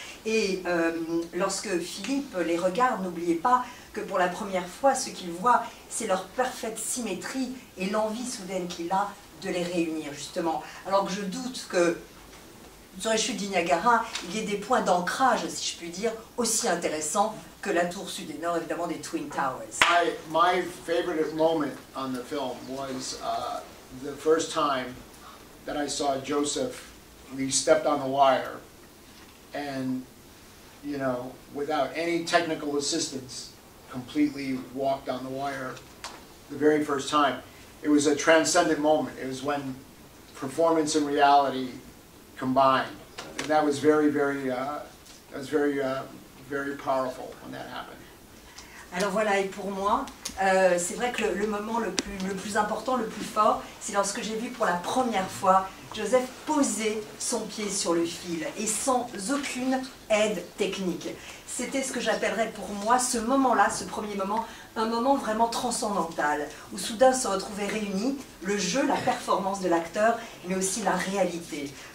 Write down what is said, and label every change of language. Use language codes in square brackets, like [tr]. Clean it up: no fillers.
[fr] Et lorsque Philippe les regarde, n'oubliez pas que pour la première fois, ce qu'il voit, c'est leur parfaite symétrie et l'envie soudaine qu'il a de les réunir, justement. Alors que je doute que sur les chutes du Niagara, il y ait des points d'ancrage, si je puis dire, aussi intéressants que la tour sud et nord, évidemment, des Twin Towers. [en] My favorite moment on the film was the first time that I saw Joseph, he stepped on the wire, and, you know, without any technical assistance, completely walked on the wire the very first time. It was a transcendent moment. It was when performance and reality combined, and that was very powerful when that happened. [fr] Alors voilà, et pour moi, c'est vrai que le moment le plus important, le plus fort, c'est lorsque j'ai vu pour la première fois Joseph poser son pied sur le fil et sans aucune aide technique. C'était ce que j'appellerais pour moi ce moment-là, ce premier moment, un moment vraiment transcendantal, où soudain se retrouvaient réunis le jeu, la performance de l'acteur, mais aussi la réalité.